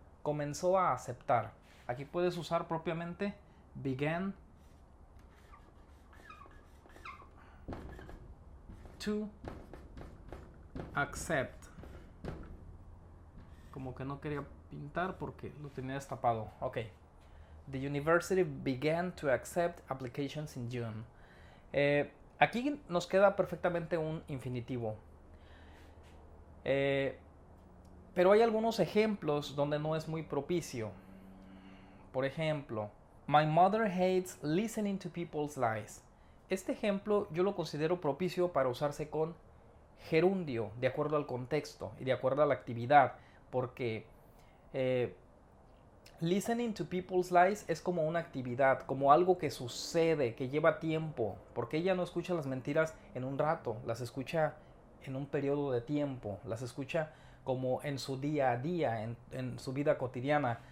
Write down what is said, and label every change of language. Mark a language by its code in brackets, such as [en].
[es] Comenzó a aceptar. Aquí puedes usar propiamente [en] began to accept. [es] Como que no quería pintar porque lo tenía destapado. Ok. [en] The university began to accept applications in June. [es] Aquí nos queda perfectamente un infinitivo. Pero hay algunos ejemplos donde no es muy propicio. Por ejemplo, [en] my mother hates listening to people's lies. [es] Este ejemplo yo lo considero propicio para usarse con gerundio, de acuerdo al contexto y de acuerdo a la actividad, porque [en] listening to people's lies [es] es como una actividad, como algo que sucede, que lleva tiempo, porque ella no escucha las mentiras en un rato, las escucha en un periodo de tiempo, las escucha como en su día a día, en su vida cotidiana.